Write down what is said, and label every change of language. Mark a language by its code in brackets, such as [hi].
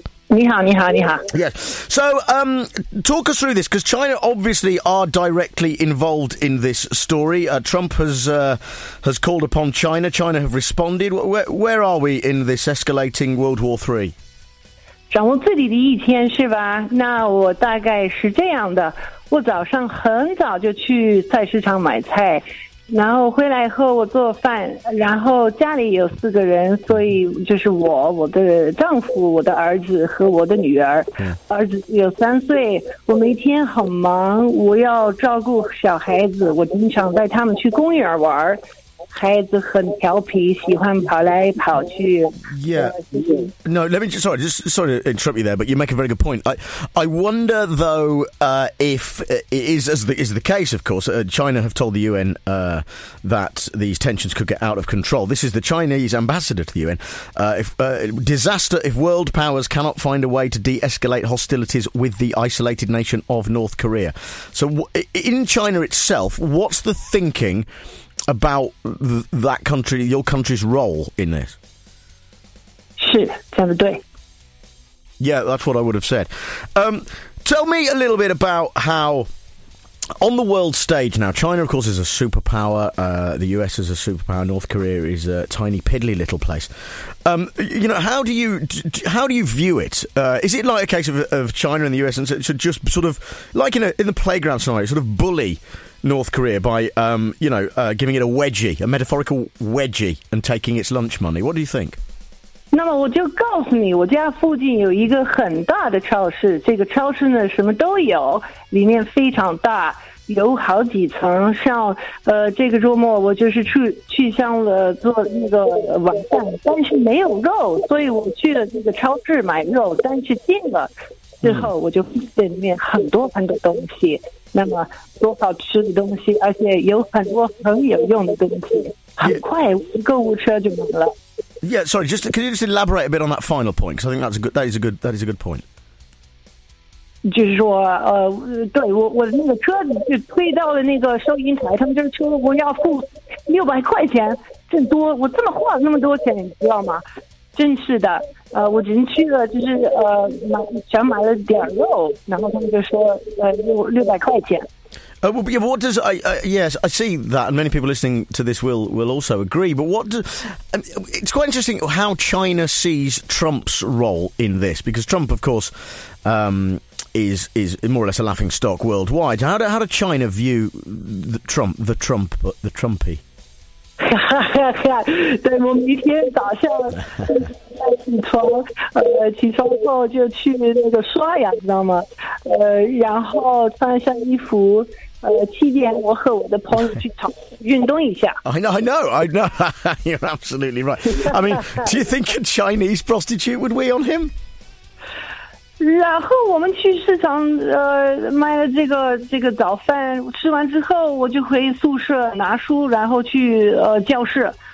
[zh] Ni hao. [en] Yes. So, talk us through this, because China obviously are directly involved in this story. Trump has called upon China. China have responded. Where are we in this escalating World War III? [zh] 掌握自己的一天是吧？那我大概是这样的， 我早上很早就去菜市场买菜， 然后回来后我做饭， 然后家里有四个人， 所以就是我， 我的丈夫， 我的儿子和我的女儿， 儿子有三岁， 我每天很忙， 我要照顾小孩子， 我经常带他们去公园玩。孩子很调皮，喜欢跑来跑去。 [en] Yeah. No, let me sorry to interrupt you there, but you make a very good point. I wonder though if it is as the case, of course. China have told the UN that these tensions could get out of control. This is the Chinese ambassador to the UN. Disaster if world powers cannot find a way to de-escalate hostilities with the isolated nation of North Korea. So, in China itself, what's the thinking about that country, your country's role in this? [zh] 是,讲得对。 [en] Yeah, that's what I would have said. Tell me a little bit about how, on the world stage now, China, of course, is a superpower, the US is a superpower, North Korea is a tiny, piddly little place. You know, how do you view it? Is it like a case of China and the US, and so just sort of, like in the playground scenario, sort of bully North Korea by, you know, giving it a wedgie, a metaphorical wedgie, and taking its lunch money? What do you think? [zh] 那么我就告诉你，我家附近有一个很大的超市，这个超市呢什么都有，里面非常大，有好几层。像这个周末我就是去向了做那个晚饭，但是没有肉，所以我去了这个超市买肉，但是进了之后我就发现里面很多很多东西，那么多好吃的东西，而且有很多很有用的东西，很快购物车就满了。 [en] Yeah, sorry. Just can you just elaborate a bit on that final point? Because I think that is a good point. [zh] 就是说，对我那个车子就推到了那个收银台，他们就是说我要付600块钱，真多，我这么花了那么多钱，你知道吗？真是的，我只能去了，就是想买了点肉，然后他们就说，600块钱。 [en] Yes, I see that, and many people listening to this will also agree. But it's quite interesting how China sees Trump's role in this, because Trump, of course, is more or less a laughing stock worldwide. How do China view the Trumpy? [zh] 对，我明天早上起床后就去那个刷牙，知道吗？然后穿上衣服。 [en] I know. You're absolutely right. I mean, do you think a Chinese prostitute would weigh on him? [zh] 然后我们去市场买了这个早饭，吃完之后我就回宿舍拿书，然后去教室。